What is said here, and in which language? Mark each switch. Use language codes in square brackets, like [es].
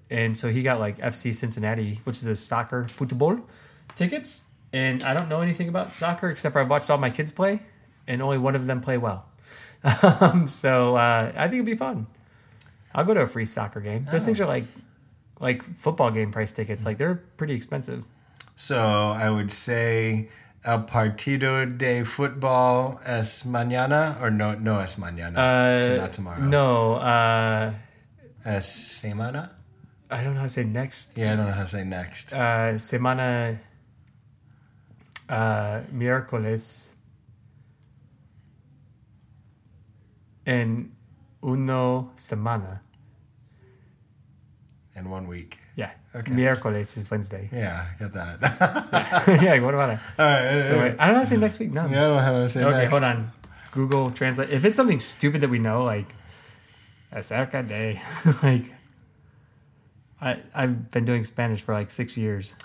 [en] And so he got like FC Cincinnati, which is a soccer football tickets. And I don't know anything about soccer except for I've watched all my kids play, and only one of them play well. I think it'd be fun. I'll go to a free soccer game. Those things are like football game price tickets. Like, they're pretty expensive. So I would say [es] el partido de football es mañana, [en] or [es] no es mañana. [en] So not tomorrow. No. [es] Es semana? [en] I don't know how to say next. Yeah, I don't know how to say next. [es] Semana... miércoles en una semana. [en] In 1 week. Yeah. Okay. Miércoles is Wednesday. Yeah, get that. Yeah, what about it? All right. So wait, I don't know how to say next week. No. Yeah, I don't know how to say next. Okay, hold on. Google Translate. If it's something stupid that we know, like, [es] acerca de, [en] like, I've been doing Spanish for like 6 years.